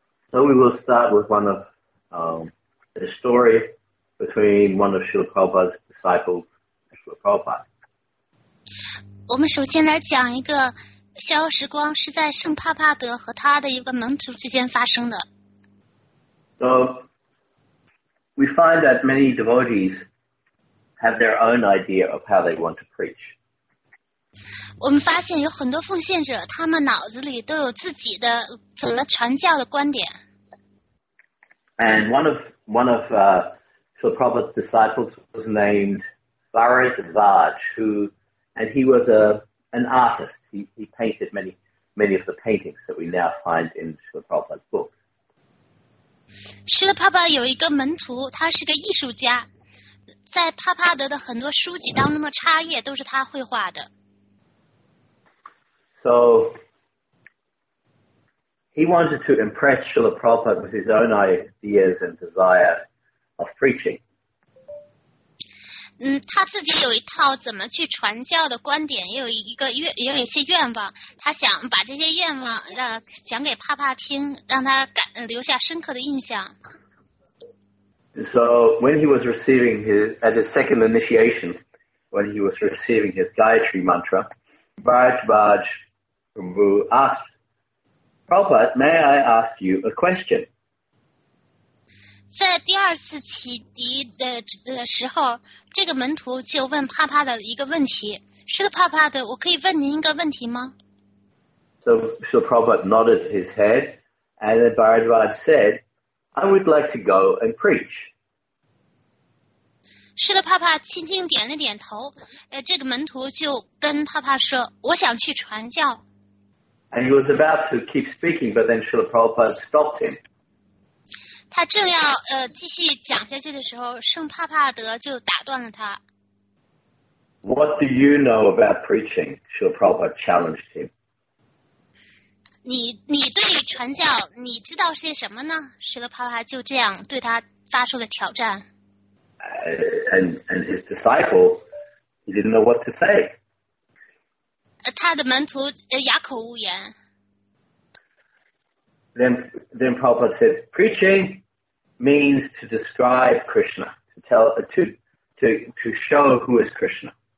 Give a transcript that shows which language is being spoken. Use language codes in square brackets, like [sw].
[en] So we will start with one of the story between one of Srila Prabhupada's disciples and Srila Prabhupada. [zh] 我们首先来讲一个消失光是在圣帕帕德和他的一个门徒之间发生的。 [en] So we find that many devotees have their own idea of how they want to preach. [zh] 我们发现有很多奉献者，他们脑子里都有自己的怎么传教的观点。 [en] And one of Srila Prabhupada's disciples was named Bharat Vaj, who was an artist. He painted many of the paintings that we now find in Srila Prabhupada's book. [zh] Srila Prabhupada 有一个门徒，他是个艺术家，在帕帕德的很多书籍当中的插页都是他绘画的。 [en] So he wanted to impress Srila Prabhupada with his own ideas and desire of preaching. [zh] 他自己有一套怎么去传教的观点，也有一个愿，也有一些愿望。他想把这些愿望让讲给帕帕听，让他留下深刻的印象。 [en] So when he was receiving his Gayatri Mantra, Bharat Vaj. Who asked, Prabhupada, may I ask you a question? [zh] 在第二次启迪的时候，这个门徒就问帕帕的一个问题。是的，帕帕的，我可以问您一个问题吗？ [en] So Prabhupada nodded his head, and then Bharat Vaj said, I would like to go and preach. [zh] 是的，帕帕轻轻点了点头。这个门徒就跟帕帕说，我想去传教。 [en] And he was about to keep speaking, but then Srila Prabhupada stopped him. [zh] 他正要继续讲下去的时候，圣帕帕德就打断了他。 [en] What do you know about preaching? Srila Prabhupada challenged him. [zh] 你对传教你知道些什么呢？ Srila Prabhupada就这样对他发出了挑战。 [en] And his disciple, he didn't know what to say. [zh] 他的门徒哑口无言。 [en] Then Prabhupada said, preaching means to describe Krishna, to show who is Krishna.